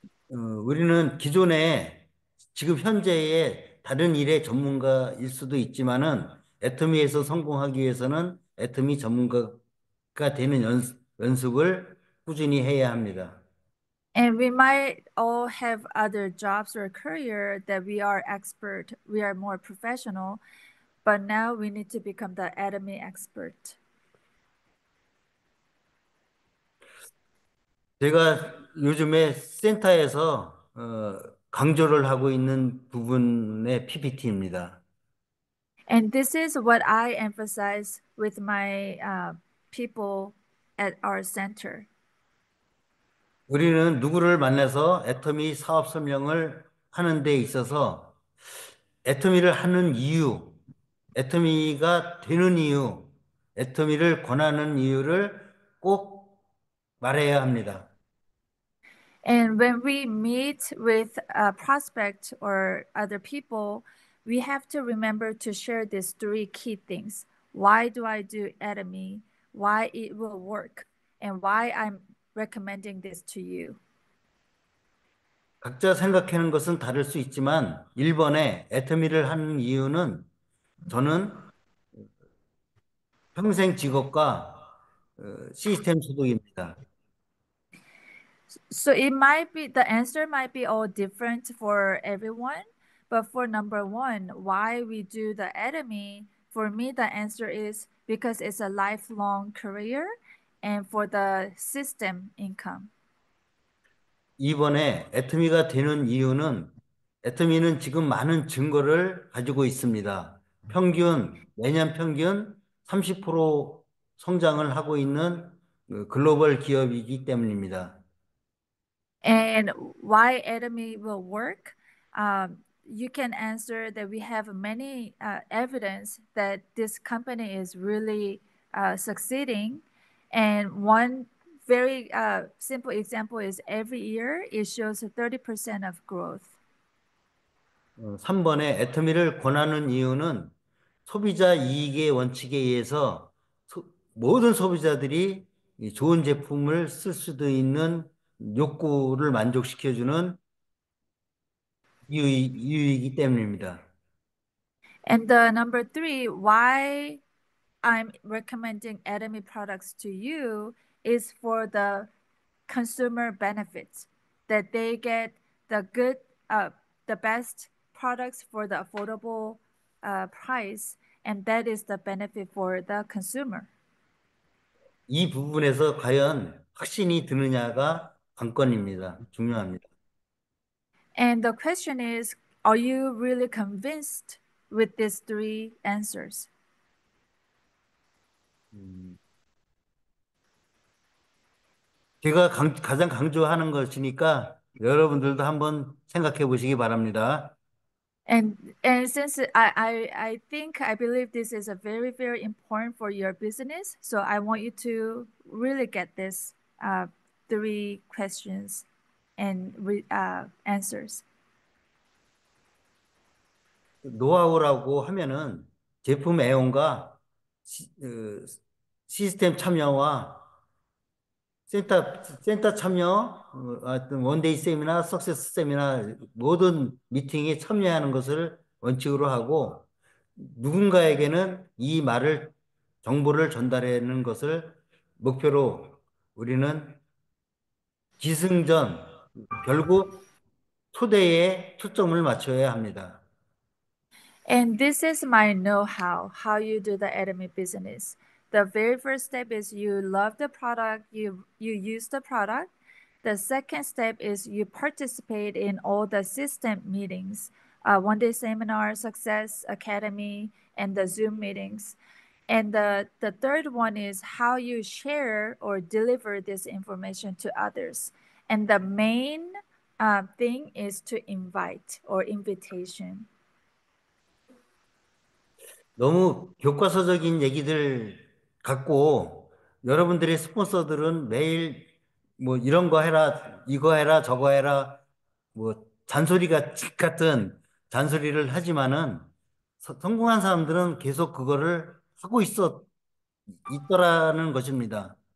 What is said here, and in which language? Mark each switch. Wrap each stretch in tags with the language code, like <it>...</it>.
<ko>우리는 기존에 지금 현재의 다른 일의 전문가일 수도 있지만은 애터미에서 성공하기 위해서는 애터미 전문가가 되는 연습을 꾸준히 해야 합니다.</ko> <en>And we might all have other jobs or career that we are expert, we are more professional, but now we need to become the Atomy expert.</en> <ko>제가 요즘에 센터에서 강조를 하고 있는 부분의 PPT입니다.</ko> <en>And this is what I emphasize with my people at our center.</en> <ko>우리는 누구를 만나서 애터미 사업 설명을 하는 데 있어서 애터미를 하는 이유, 애터미가 되는 이유, 애터미를 권하는 이유를 꼭 말해야 합니다.</ko> <en>And when we meet with a prospect or other people, we have to remember to share these three key things. Why do I do Atomy? Why it will work? And why I'm recommending this to you.</en> <ko>각자 생각하는 것은 다를 수 있지만, 1번에 애터미를 하는 이유는 저는 평생 직업과 시스템 소득입니다.</ko> <en>So it might be the answer might be all different for everyone, but for number one, why we do the Atomy, for me the answer is because it's a lifelong career and for the system income.</en> <ko>이번에 애터미가 되는 이유는 애터미는 지금 많은 증거를 가지고 있습니다. 매년 평균 30% 성장을 하고 있는 글로벌 기업이기 때문입니다.</ko> <en>And why Atomy will work? You can answer that we have many evidence that this company is really succeeding. And one very simple example is every year it shows 30% of growth.</en> <ko>3번에 애터미를 권하는 이유는 소비자 이익의 원칙에 의해서 모든 소비자들이 좋은 제품을 쓸 수도 있는 욕구를 만족시켜주는 이유이기 때문입니다.</ko> <en>And the number three, why I'm recommending Atomy products to you is for the consumer benefits that they get the best products for the affordable price, and that is the benefit for the consumer.</en> <ko>이 부분에서 과연 확신이 드느냐가 관건입니다. 중요합니다.</ko> <en>And the question is, are you really convinced with these three answers?</en> <ko>제가 가장 강조하는 것이니까 여러분들도 한번 생각해 보시기 바랍니다.</ko> <en>And since I believe this is a very, very important for your business, so I want you to really get this three questions and answers.</en> <ko>노하우라고 하면은 제품 애용과 시스템 참여와 센터 참여, 하여튼 원데이 세미나, 석세스 세미나 모든 미팅에 참여하는 것을 원칙으로 하고 누군가에게는 이 말을 정보를 전달하는 것을 목표로 우리는 기승전, 결국 초대에 초점을 맞춰야 합니다.</ko> <en>And this is my know-how, how you do the Atomy business. The very first step is you love the product, you use the product. The second step is you participate in all the system meetings, one-day seminar, Success Academy, and the Zoom meetings. And the third one is how you share or deliver this information to others. And the main thing is to invite or invitation.</en> <ko>너무 교과서적인 얘기들 같고, 여러분들의 스폰서들은 매일 뭐 이런 거 해라, 이거 해라, 저거 해라, 뭐 잔소리가 칙 같은 잔소리를 하지만은 성공한 사람들은 계속 그거를 하고 있더라는 것입니다.</ko>